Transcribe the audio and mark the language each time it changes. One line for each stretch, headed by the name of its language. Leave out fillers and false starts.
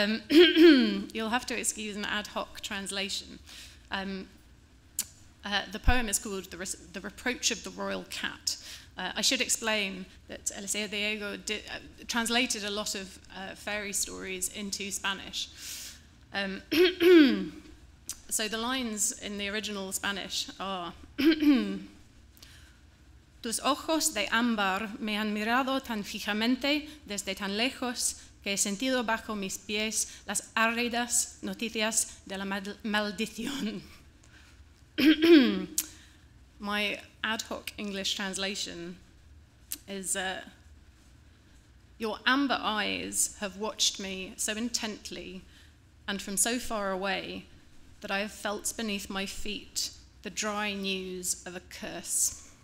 English: you'll have to excuse an ad hoc translation. The poem is called The Reproach of the Royal Cat. I should explain that Eliseo Diego translated a lot of fairy stories into Spanish. So the lines in the original Spanish are
Spanish: Tus ojos de ámbar me han mirado tan fijamente desde tan lejos que he sentido bajo mis pies las áridas noticias de la maldición.
English: My ad hoc English translation is Your amber eyes have watched me so intently and from so far away that I have felt beneath my feet the dry news of a curse.